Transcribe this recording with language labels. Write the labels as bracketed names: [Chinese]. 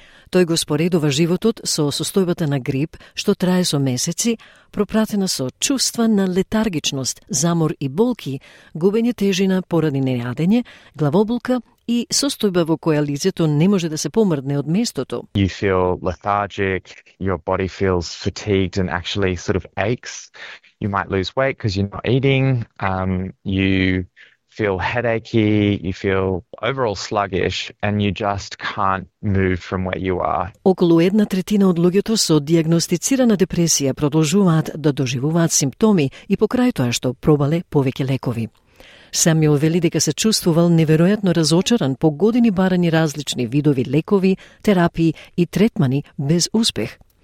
[Macedonian] Тој го споредува животот со состојбата на грип, што трае со месеци, пропратена со чувства на летаргичност, замор и болки, губење тежина поради нејадење, главоболка и состојба во која лицето не може да се помрдне од местото. [English] You feel lethargic, your body feels fatigued and actually sort of aches. You might lose weight because you're not eating. You feel headachy, you feel overall sluggish and you just can't move from where you are. [Macedonian] Околу една третина од луѓето со диагностицирана депресија продолжуваат да доживуваат симптоми и покрај тоа што пробале повеќе лекови. Самјул вели дека се чувствувал неверојатно разочаран по години барани различни видови лекови, терапии и третмани без успех.